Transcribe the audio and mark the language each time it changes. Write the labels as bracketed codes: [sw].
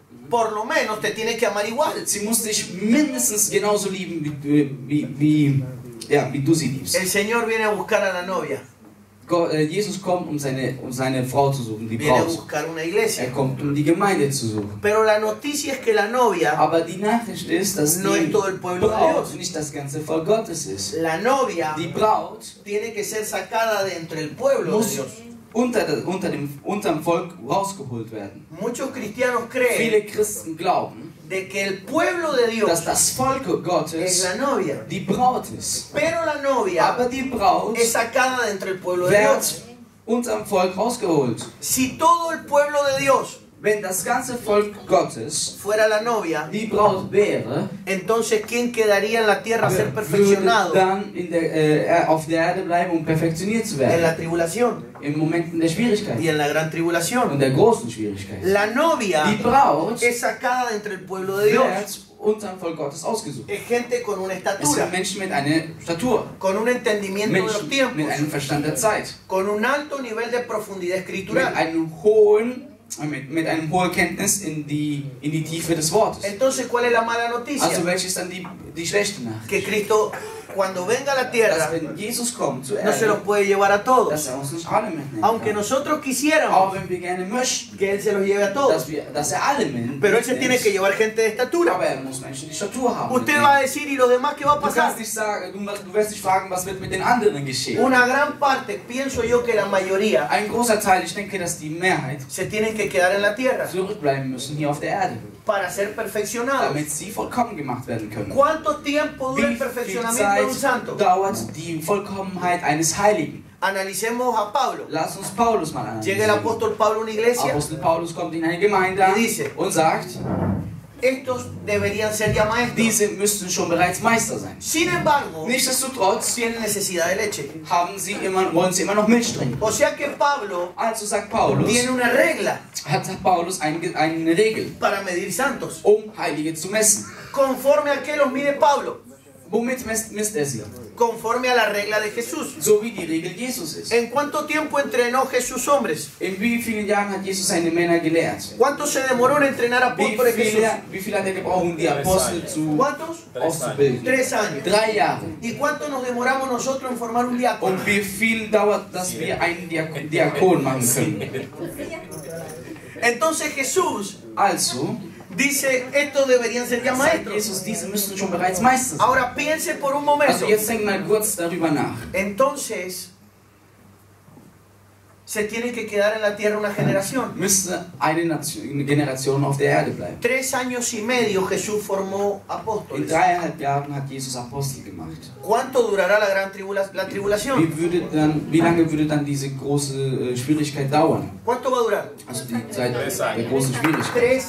[es] Por lo menos te tiene que amar igual. [de] Sie muss dich mindestens genauso lieben wie du sie liebst. [es] El Señor viene a buscar a la novia. [de] Jesus kommt, um seine Frau zu suchen, die Braut. Er kommt, um die Gemeinde zu suchen. [es] Pero la noticia es que la novia [de] Aber die Nachricht ist, dass [es] no [de] die [es] es todo el pueblo [de] Braut [es] de Dios. [de] Nicht das ganze Volk Gottes ist. [es] La novia [de] die Braut [es] tiene que ser sacada de entre el pueblo [de] muss [es] de Dios. [de] Unter dem Volk rausgeholt werden. [es] Muchos cristianos creen [de] Viele Christen glauben, [es] de que el pueblo de Dios [de] dass das Volk Gottes [es] es la novia. [de] Die Braut ist. [es] Pero la novia [de] Aber die Braut [es] es sacada de entre el pueblo [de] wird [es] de Dios. [de] Unterm Volk rausgeholt. [es] Si todo el pueblo de Dios [de] Wenn das ganze Volk Gottes [es] fuera la novia, [de] die Braut wäre, [es] entonces, ¿quién quedaría en la tierra a ser perfeccionado? [de] Würde dann auf der Erde bleiben, um perfektioniert zu werden. [es] En la tribulación. [de] Im Moment der Schwierigkeit. [es] Y en la gran tribulación. [de] Und der großen Schwierigkeit. [es] La novia [de] die Braut [es] es sacada de entre el pueblo de Dios. [de] Unterm Volk Gottes ausgesucht. [es] Es gente con una estatura. [de] Es sind Menschen mit einer Statur. [es] Con un entendimiento [de] Menschen [es] de los tiempos. [de] Mit einem Verstand der Zeit. [es] Con un alto nivel de profundidad escritural. [de] Mit einem hohen mit einem hohen Kenntnis in die Tiefe des Wortes. [es] Entonces, ¿cuál es la mala noticia? [de] Also welche ist dann die schlechte Nachricht? [es] Que Cristo cuando venga a la tierra, [de] Jesus kommt, [es] no se los puede llevar a todos. [de] Dass er uns nicht alle mitnehmen [es] aunque [de] kann. [es] Nosotros quisiéramos [de] auch wenn wir gerne möchten, [es] que Él se los lleve a todos. [de] Dass er alle mitnehmen, [es] pero Él se tiene que llevar gente de estatura. [de] Aber er muss Menschen, die Statur haben, [es] usted [de] mitnehmen. [es] Va a decir, ¿y los demás qué va a pasar? [de] Du kannst nicht sagen, du wirst dich fragen, was wird mit den anderen geschehen. [es] Una gran parte, pienso yo que la mayoría, [de] ein großer Teil, ich denke, dass die Mehrheit, [es] se tienen que quedar en la tierra, [de] zurückbleiben müssen hier auf der Erde. [es] Para ser perfeccionados. [de] Damit sie vollkommen gemacht werden können. [es] ¿Cuánto tiempo dura el perfeccionamiento de un santo? [de] Dauert die Vollkommenheit eines Heiligen. [es] Analicemos a Pablo. [de] Lass uns Paulus mal analysieren. [es] Llega el apóstol Pablo a una iglesia. [de] Apostel Paulus kommt in eine Gemeinde [es] y dice, [de] und sagt, [es] estos deberían ser ya maestros. [de] Diese müssten schon bereits Meister sein. [es] Sin embargo, [de] nichtsdestotrotz, [es] tienen necesidad de leche. [de] Haben sie immer, wollen sie immer noch Milch trinken. [es] O sea que Pablo, [de] also sagt Paulus, [es] tiene una regla. [de] Hat Paulus eine Regel. [es] Para medir santos. [de] Um Heilige zu messen. [es] Conforme a que los mide Pablo. [de] Womit misst er sie? [es] Conforme a la regla de Jesús. [de] So wie die Regel Jesus ist. [es] ¿En cuánto tiempo entrenó Jesús hombres? [de] In wie vielen Jahren hat Jesus seine Männer gelehrt? [es] ¿Cuánto se demoró en entrenar a apóstoles de Jesús? [de] Wie viel hat er gebraucht, um die Apostel zu auszubilden? [es] 3 años. [de] 3 Jahre. [es] ¿Y cuánto nos demoramos nosotros en formar un diácono? [de] Und wie viel dauert, dass wir einen Diakon machen können? [es] Entonces Jesús, [de] also, [es] dice, estos deberían ser ya maestros. [de] Jesus, diese müssen schon bereits Meister sein. [es] Ahora piense por un momento. [de] Also jetzt denk mal kurz darüber nach. [es] Entonces, se tiene que quedar en la tierra una generación. [de] Müsste eine Nation, Generation auf der Erde bleiben. [es] 3 años y medio Jesús formó apóstoles. [de] In 3,5 Jahren hat Jesus Apostel gemacht. [es] ¿Cuánto durará la gran tribulación? [de] Wie lange würde dann diese große Schwierigkeit dauern? [es] ¿Cuánto va a durar? [de] Also die Zeit der großen Schwierigkeit.